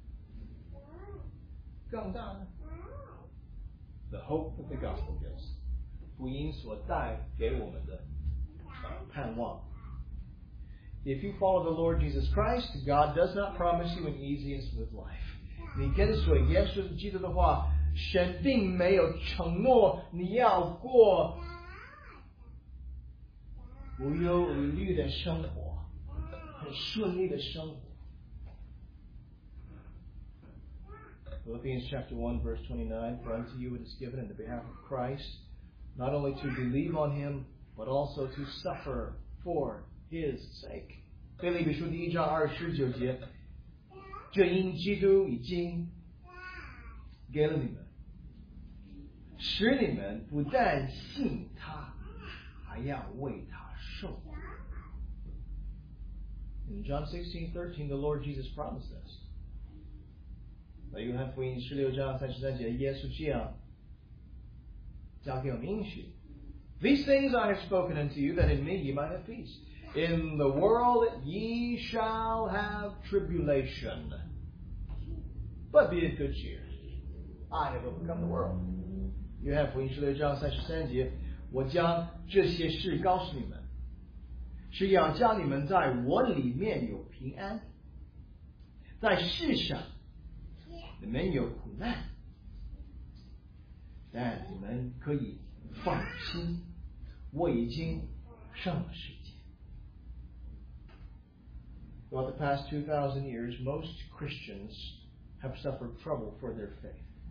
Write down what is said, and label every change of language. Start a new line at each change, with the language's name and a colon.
Chinese: 有什么事情比怕死或者怕痛苦更大呢?
English: The hope that the gospel gives.
Chinese: 福音所带给我们的盼望。
English: If you follow the Lord Jesus Christ, God does not promise you an easy and smooth life.
Chinese: 你跟随耶稣基督的话, 神并没有承诺你要过无忧无虑的生活，很顺利的生活。
English: Philippians chapter 1 verse 29, For unto you it is given in the behalf of Christ, not only to believe on him, but also to suffer for his sake.
Chinese: 腓立比书第一章29节，这因基督已经给了你们。 使你们不但信他, 要为他受。
English: In John 16:13, the Lord Jesus promised us.
Chinese: 在约翰福音十六章三十三节，耶稣这样交给我们应许。
English: These things I have spoken unto you, that in me ye might have peace. In the world ye shall have tribulation, but be of good cheer. I have overcome the world.
Chinese: 约翰福音十六章三十三节，我将这些事告诉你们，是要叫你们在我里面有平安，在世上你们有苦难，但你们可以放心，我已经胜了世界。
English: Throughout the past 2,000 years, most Christians have suffered trouble for their faith.